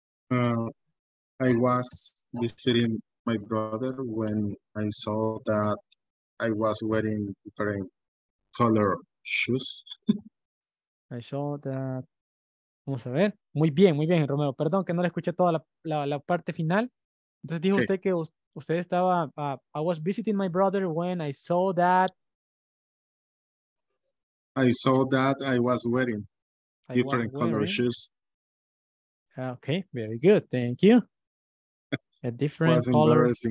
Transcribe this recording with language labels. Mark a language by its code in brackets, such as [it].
[en] I was visiting my brother when I saw that I was wearing different color shoes. I saw that. [es] Vamos a ver. Muy bien, Romeo. Perdón que no le escuché toda la parte final. Entonces dijo usted que usted estaba. [en] I was visiting my brother when I saw that. I saw that I was wearing different color shoes. Okay, very good. Thank you. a different color.